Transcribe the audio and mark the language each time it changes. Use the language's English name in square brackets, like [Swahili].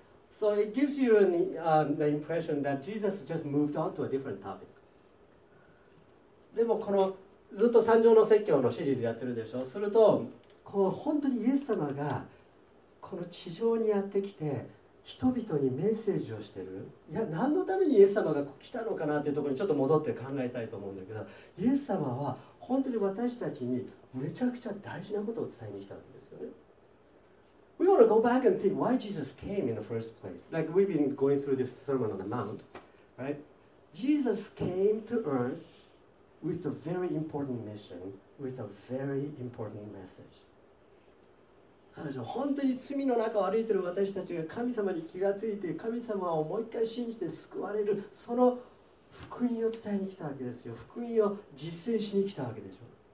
[English] So it gives you the impression that Jesus just moved on to a different topic. [Japanese] でもこのずっと三条の説教のシリーズやってるでしょ。すると、こう本当にイエス様がこの地上にやってきて、人々にメッセージをしてる。いや、何のためにイエス様が来たのかなっていうところにちょっと戻って考えたいと思うんだけど、イエス様は本当に私たちにめちゃくちゃ大事なことを伝えに来たわけですよね。 [English] We want to go back and think why Jesus came in the first place. Like we've been going through this Sermon on the Mount, right? Jesus came to earth with a very important mission, with a very important message. [Japanese] そうでしょ。本当に罪の中を歩いている私たちが神様に気がついて神様をもう一回信じて救われるその福音を伝えに来たわけですよ。福音を実践しに来たわけでしょ。